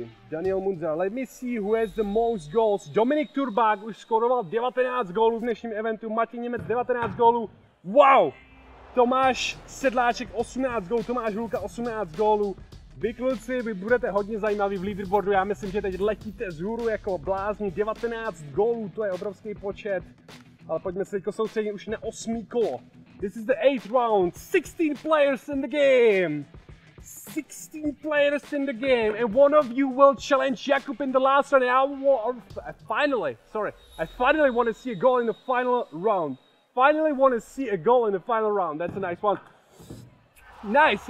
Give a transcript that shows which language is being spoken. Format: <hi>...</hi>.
<en>Daniel Munzar. Let me see who has the most goals.</en> <cs>Dominik Turbák už skoroval 19 gólů v dnešním eventu. Martin Němec 19 gólů. Wow! Tomáš Sedláček 18 gólů. Tomáš Hulka 18 gólů. Vy kluci, vy budete hodně zajímaví v leaderboardu, já myslím, že teď letíte z hůru jako blázni. 19 gólů, to je obrovský počet, ale pojďme se teďko soustředit už na 8. kolo.</cs> <en>This is the 8th round, 16 players in the game! 16 players in the game, and one of you will challenge Jakub in the last round. I finally want to see a goal in the final round. That's a nice one. Nice.</en>